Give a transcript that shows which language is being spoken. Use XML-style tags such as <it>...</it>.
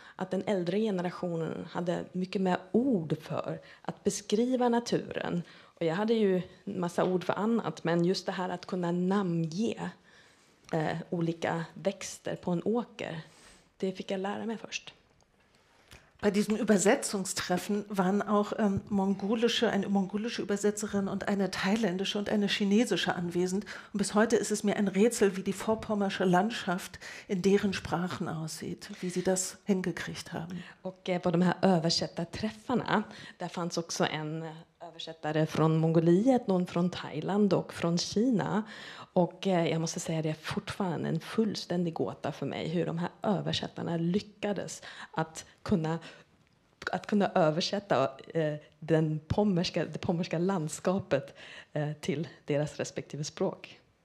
<sv>Att den äldre generationen hade mycket mer ord för att beskriva naturen. Och jag hade ju en massa ord för annat. Men just det här att kunna namnge olika växter på en åker. Det fick jag lära mig först.</sv> <de>Bei diesem Übersetzungstreffen waren auch eine mongolische Übersetzerin und eine thailändische und eine chinesische anwesend. Und bis heute ist es mir ein Rätsel, wie die vorpommersche Landschaft in deren Sprachen aussieht, wie sie das hingekriegt haben.</de> <sv>Och på de här översättarträffarna, där fanns också en översättare från Mongoliet, någon från Thailand och från Kina. Och jag måste säga att det är fortfarande en fullständig gåta för mig hur de här översättarna lyckades att kunna översätta det pommerska landskapet till deras respektive språk.</sv>